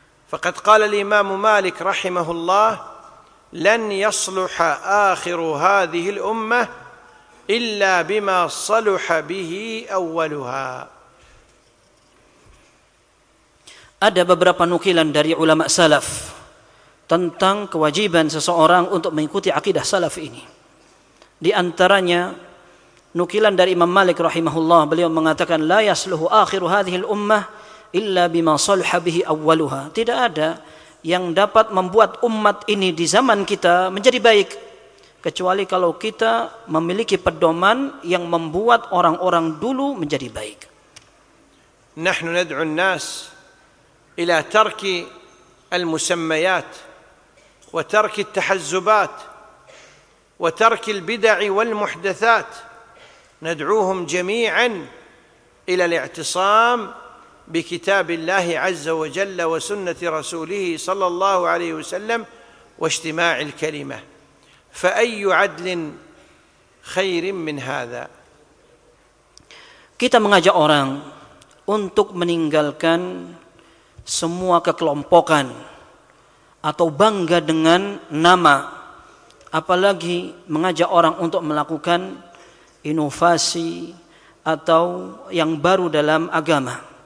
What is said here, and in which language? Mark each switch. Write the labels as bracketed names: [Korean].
[Arabic] Faqad qala al-Imam Malik rahimahullah, لن يصلح آخر هذه الأمة إلا بما صلح به أولها. [Indonesian] Ada beberapa nukilan dari ulama salaf tentang kewajiban seseorang untuk mengikuti akidah salaf ini. Di antaranya nukilan dari Imam Malik rahimahullah, beliau mengatakan [Arabic] لا يصلح آخر هذه الأمة إلا بما صلح به أولها. [Indonesian] Tidak ada yang dapat membuat umat ini di zaman kita menjadi baik kecuali kalau kita memiliki pedoman yang membuat orang-orang dulu menjadi baik. [Arabic] Nahnu nad'u an-nas ila tarki al-musammayat wa tarki at-tahazzubat wa tarki al-bid'i wal-muhdathat, nad'uhum jami'an ila al-i'tisam بكتاب الله عز وجل وسنة رسوله صلى الله عليه وسلم واجتماع الكلمة فأي عدل خير من هذا. [Indonesian] Kita mengajak orang untuk meninggalkan semua kekelompokan atau bangga dengan nama, apalagi mengajak orang untuk melakukan inovasi atau yang baru dalam agama.